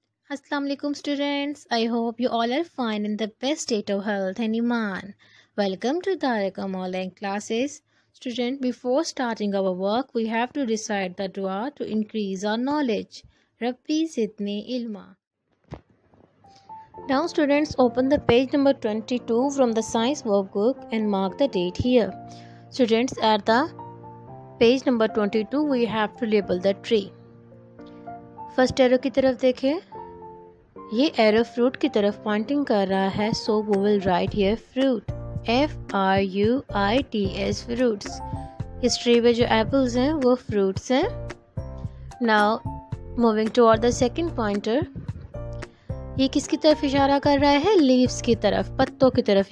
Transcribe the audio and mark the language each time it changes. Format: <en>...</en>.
<en>السلام علیکم students, I hope you all are fine in the best state of health and ایمان. Welcome to دارکم online classes. Student, before starting our work we have to recite the دعا to increase our knowledge.</en> <ar>ربی زدنی علما.</ar> <en>Now students, open the page number 22 from the science workbook and mark the date here. Students, at the page number 22 we have to label the tree.</en> <ur>First arrow کی طرف دیکھیں, یہ arrow fruit کی طرف pointing کر رہا ہے,</ur> <en>so we will write here fruit,</en> <ur>F are you I T S, fruits. اس tree میں جو ایپلز ہیں وہ فروٹس ہیں.</ur> <en>now moving toward the second pointer,</en> <ur>یہ کس کی طرف اشارہ کر رہا ہے؟ لیوس کی طرف, پتوں کی طرف.</ur>